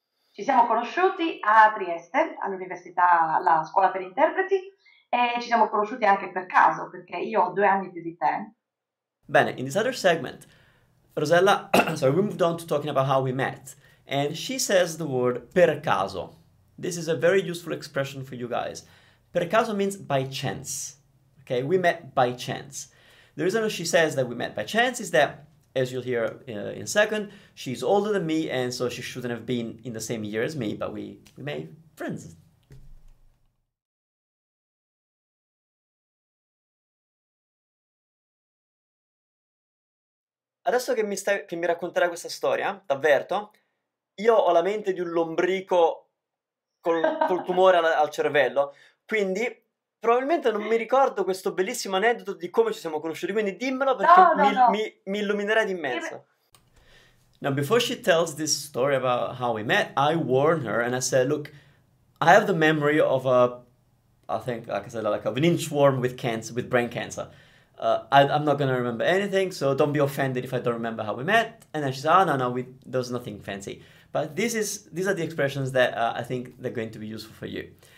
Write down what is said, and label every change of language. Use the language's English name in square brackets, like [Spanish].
[Italian] ci siamo conosciuti a Trieste, all'università, la scuola per interpreti, e ci siamo conosciuti anche per caso, perché io ho 2 anni più di te. Bene, [English] in this other segment, Rosella, sorry, we moved on to talking about how we met, and she says the word [Italian] per caso. [English] This is a very useful expression for you guys. [Italian] Per caso [English] means by chance, okay? We met by chance. The reason she says that we met by chance is that, as you'll hear in a second, she's older than me, and so she shouldn't have been in the same year as me, but we made friends. [Italian] Adesso che mi racconterai questa storia, t'avverto, io ho la mente di un lombrico col tumore al cervello, quindi probabilmente non mi ricordo questo bellissimo aneddoto di come ci siamo conosciuti, quindi dimmelo perché mi illuminerà di mezzo. [English] Now, before she tells this story about how we met, I warn her and I say, look, I have the memory of an inchworm with cancer, with brain cancer. I'm not going to remember anything, so don't be offended if I don't remember how we met. And then she said, there's nothing fancy. But these are the expressions that I think they're going to be useful for you.